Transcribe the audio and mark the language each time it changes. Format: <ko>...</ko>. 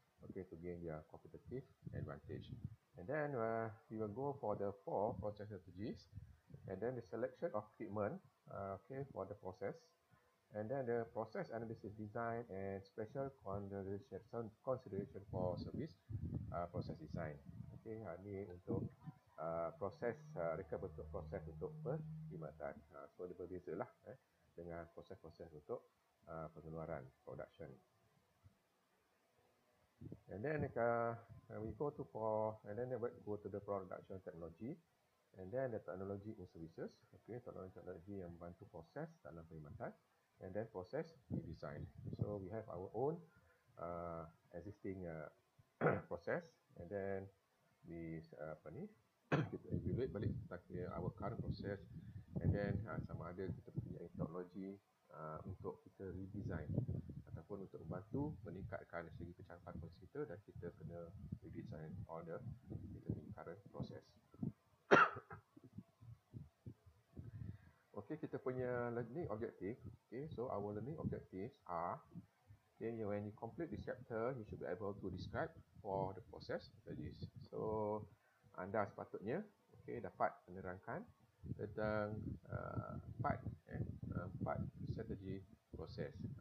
<en>Okay, to gain their competitive advantage. And then we will go for the four process strategies, and then the selection of equipment for the process, and then the process analysis design and special consideration for service process design.</en> <ms>Okay, ini untuk proses reka bentuk proses untuk perkhidmatan. So dia berbeza lah dengan proses-proses untuk pengeluaran production.</ms> <en>And then go to the production technology, and then the technology and services.</en> <ms>Okay, technology yang membantu proses dalam perkhidmatan,</ms> <en>and then process redesign. So we have our own existing process, and then we</en> <ms>kita</ms> <en>evaluate</en> <ms>balik</ms> <en>our current process, and then</en> <ms>sama ada kita punya technology untuk kita redesign ataupun untuk membantu meningkatkan segi kecepatan proses kita, dan kita kena</ms> <en>redesign all the</en> <ms>kita punya</ms> <en>current process.</en> <ms>Okay, kita punya learning objective.</ms> <en>Okay, so our learning objectives are, okay, when you complete this chapter, you should be able to describe for the process strategies.</en> <ms>So anda sepatutnya dapat menerangkan tentang empat strategi proses.</ms>